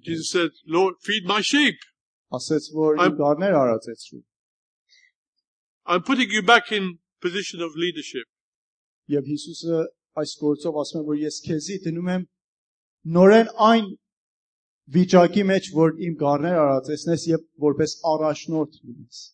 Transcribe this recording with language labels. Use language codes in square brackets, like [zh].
[en] Jesus said, Lord, feed my sheep. [hy] Ասաց որ իմ գառներ արածեցրու։ [en] I'm putting you back in position of leadership. [hy] Եվ Հիսուսը այս գործով ասում է որ ես քեզի դնում եմ նորեն այն վիճակի մեջ որ իմ գառներ արածեցնես եւ որպես առաջնորդ լինես։